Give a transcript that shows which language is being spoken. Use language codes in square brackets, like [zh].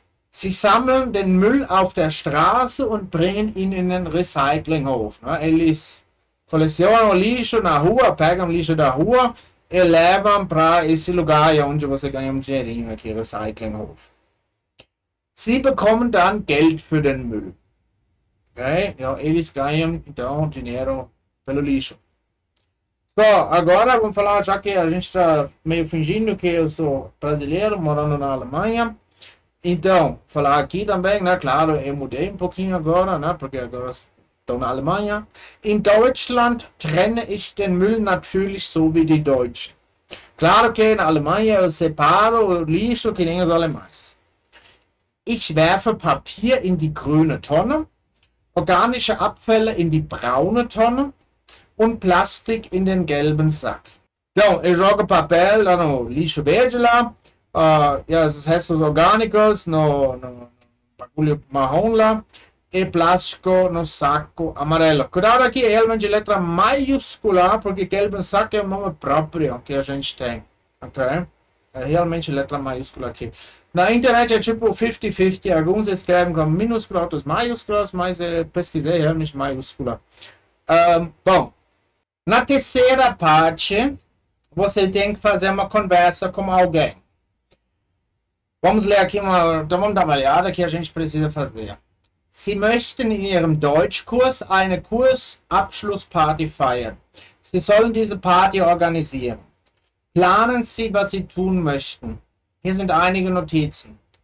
[de] Sie sammeln den Müll auf der Straße und bringen ihn in den Recyclinghof, né? [pt] Eles colecionam lixo na rua, pegam lixo da rua e levam para esse lugar onde você ganha um dinheirinho aqui, Recyclinghof. [de] Sie bekommen dann Geld für den Müll. Okay? [pt] Eles ganham então dinheiro pelo lixo. So, agora vamos falar, já que a gente está meio fingindo que eu sou brasileiro, morando na Alemanha. Então, falar aqui também, né? Claro, eu mudei um pouquinho agora, né? Porque agora estou na Alemanha. [de] In Deutschland trenne ich den Müll natürlich so wie die Deutschen. [pt] Claro que na Alemanha eu separo o lixo que nem os alemães. [de] Ich werfe Papier in die grüne Tonne, organische Abfälle in die braune Tonne und Plastik in den gelben Sack. [pt] Então, eu jogo papel lá no lixo verde lá, os restos orgânicos no bagulho marrom lá, e plástico no saco amarelo. Cuidado aqui, elma de letra maiúscula, porque [de] gelben sack [pt] é o nome próprio que a gente tem. Ok? É realmente letra maiúscula aqui. Na internet é tipo 50-50. Alguns escrevem com minúscula, outros maiúsculas, mas pesquisei realmente maiúscula. Bom. Na terceira parte, você tem que fazer uma conversa com alguém. Vamos ler aqui uma. Então vamos dar uma olhada que a gente precisa fazer. [de] Sie möchten in Ihrem Deutschkurs eine Kursabschlussparty feiern. Sie sollen diese Party organisieren. Planen Sie, was Sie tun möchten. Hier sind einige Notizen.